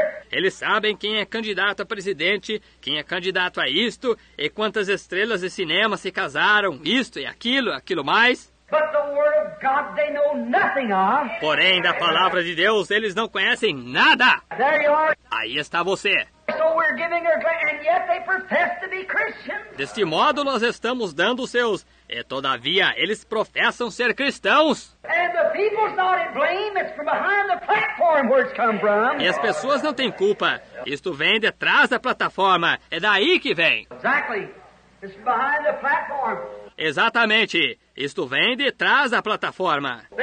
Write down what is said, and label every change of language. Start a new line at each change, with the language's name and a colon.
Portuguese: Eles sabem quem é candidato a presidente, quem é candidato a isto, e quantas estrelas de cinema se casaram, isto e aquilo, aquilo mais.
English: But the word of God they know nothing of.
Portuguese: Porém, da palavra de Deus, eles não conhecem nada.
English: There you are.
Portuguese: Aí está você.
English: So we're giving our grant, and yet they profess to be Christians.
Portuguese: Deste modo, nós estamos dando os seus, e todavia, eles professam ser cristãos.
English: And the people's not in blame, it's from behind the platform where it's come from.
Portuguese: E as pessoas não têm culpa, isto vem de trás da plataforma, é daí que vem.
English: Exactly, it's behind the platform.
Portuguese: Exatamente, isto vem de trás da plataforma.